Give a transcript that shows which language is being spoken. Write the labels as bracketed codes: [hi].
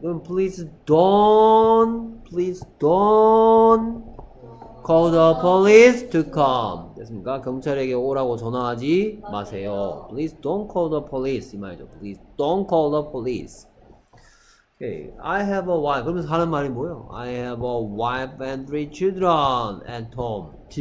[en] 그럼 please don't call the police to come. [ko] 됐습니까? 경찰에게 오라고 전화하지 마세요. [en] Please don't call the police. [ko] 이 말이죠. [en] Please don't call the police. Okay. I have a wife. [ko] 그러면서 하는 말이 뭐예요? [en] I have a wife and three children at home.